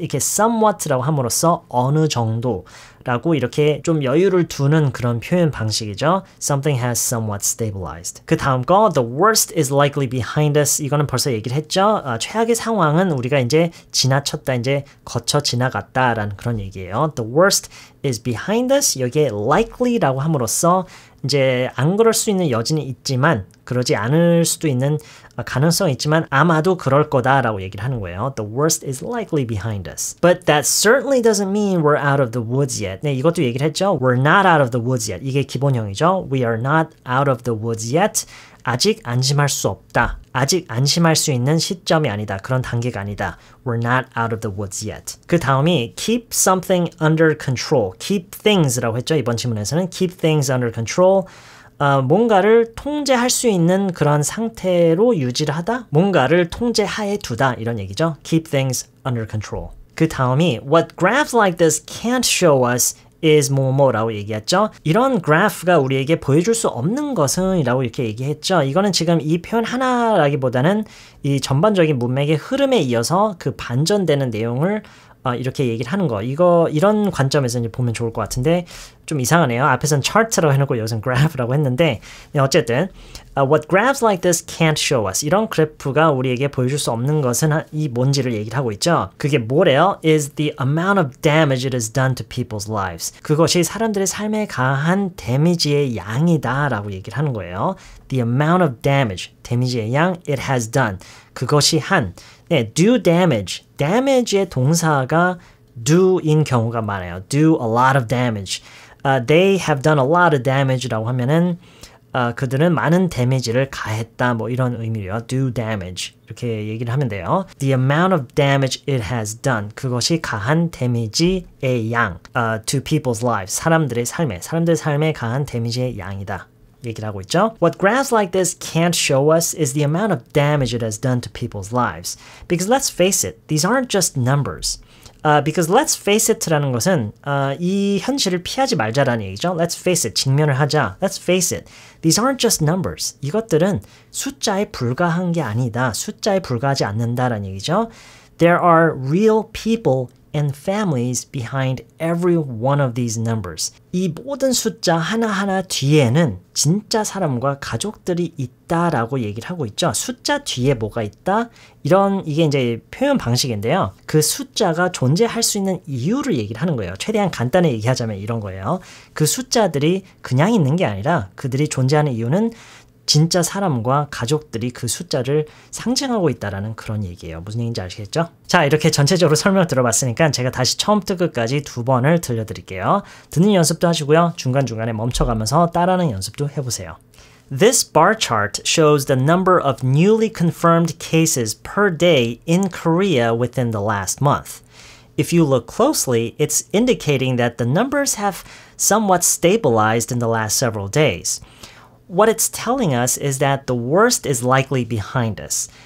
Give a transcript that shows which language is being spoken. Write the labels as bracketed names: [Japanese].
[Korean] 이렇게 somewhat라고 함으로써 어느 정도 라고 이렇게 좀 여유를 두는 그런 표현 방식이죠. [English] Something has somewhat stabilized. [Korean] 그 다음 거, [English] the worst is likely behind us. [Korean] 이거는 벌써 얘기를 했죠. 최악의 상황은 우리가 이제 지나쳤다, 이제 거쳐 지나갔다라는 그런 얘기예요. [English] The worst is behind us. [Korean] 여기에 likely라고 함으로써 이제 안 그럴 수 있는 여지는 있지만 그러지 않을 수도 있는 가능성이 있지만 아마도 그럴 거다라고 얘기를 하는 거예요. [English] The worst is likely behind us. But that certainly doesn't mean we're out of the woods yet. [Korean] 네, 이것도 얘기를 했죠. [English] We're not out of the woods yet. [Korean] 이게 기본형이죠. [English] We are not out of the woods yet. [Korean] 아직 안심할 수 없다. 아직 안심할 수 있는 시점이 아니다. 그런 단계가 아니다. [English] We're not out of the woods yet. [Korean] 그 다음이 [English] keep something under control. Keep things라고 했죠. [Korean] 이번 질문에서는 [English] keep things under control. [Korean] 뭔가를 통제할 수 있는 그런 상태로 유지를 하다? 뭔가를 통제하에 두다 이런 얘기죠. [English] Keep things under control. [Korean] 그 다음이 [English] What graphs like this can't show us is [Korean] 뭐뭐라고 얘기했죠. 이런 graph가 우리에게 보여줄 수 없는 것은 이라고 이렇게 얘기했죠. 이거는 지금 이 표현 하나라기보다는 이 전반적인 문맥의 흐름에 이어서 그 반전되는 내용을 이렇게 얘기를 하는 거. 이런 관점에서 이제 보면 좋을 것 같은데 좀 이상하네요. 앞에서는 chart라고 해놓고 여기서는 graph라고 했는데 어쨌든 [English] what graphs like this can't show us. [Korean] 이런 그래프가 우리에게 보여줄 수 없는 것은 이 뭔지를 얘기를 하고 있죠. 그게 뭐래요? [English] Is the amount of damage it is done to people's lives. [Korean] 그것이 사람들의 삶에 가한 데미지의 양이다 라고 얘기를 하는 거예요. [English] The amount of damage, [Korean] 데미지의 양, [English] it has done. [Korean] 그것이 한. 네, [English] do damage. [Korean] Damage의 동사가 do인 경우가 많아요. [English] Do a lot of damage. They have done a lot of damage라고 하면은 [Korean] 그들은 많은 데미지를 가했다. 뭐 이런 의미로요. [English] Do damage. [Korean] 이렇게 얘기를 하면 돼요. [English] The amount of damage it has done. [Korean] 그것이 가한 데미지의 양. [English] To people's lives. [Korean] 사람들의 삶에. 사람들의 삶에 가한 데미지의 양이다. 얘기를 하고 있죠. [English] What graphs like this can't show us is the amount of damage it has done to people's lives. Because let's face it, these aren't just numbers. [Korean] Because let's face it라는 것은 이 현실을 피하지 말자라는 얘기죠. [English] Let's face it, [Korean] 직면을 하자. [English] Let's face it. These aren't just numbers. [Korean] 이것들은 숫자에 불과한 게 아니다. 숫자에 불과하지 않는다라는 얘기죠. [English] There are real people and families behind every one of these numbers. [Korean] 이 모든 숫자 하나하나 뒤에는 진짜 사람과 가족들이 있다라고 얘기를 하고 있죠. 숫자 뒤에 뭐가 있다? 이런 이게 이제 표현 방식인데요. 그 숫자가 존재할 수 있는 이유를 얘기를 하는 거예요. 최대한 간단히 얘기하자면 이런 거예요. 그 숫자들이 그냥 있는 게 아니라 그들이 존재하는 이유는 진짜 사람과 가족들이 그 숫자를 상징하고 있다라는 그런 얘기예요. 무슨 얘기인지 아시겠죠? 자, 이렇게 전체적으로 설명 들어봤으니까 제가 다시 처음부터 끝까지 두 번을 들려드릴게요. 듣는 연습도 하시고요. 중간중간에 멈춰가면서 따라하는 연습도 해보세요. [English] This bar chart shows the number of newly confirmed cases per day in Korea within the last month. If you look closely, it's indicating that the numbers have somewhat stabilized in the last several days. What it's telling us is that the worst is likely behind us.